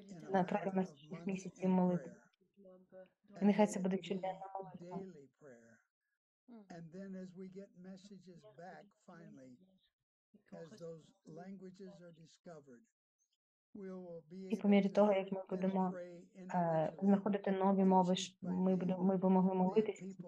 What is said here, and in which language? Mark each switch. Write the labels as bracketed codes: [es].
[uk] Направимо всіх місяців молитви. Нехай це буде чудесна молитва. [en] And then as we get messages back, finally, as those languages are discovered, [uk] і по мірі того, як ми будемо знаходити нові мови, ми могли молитися.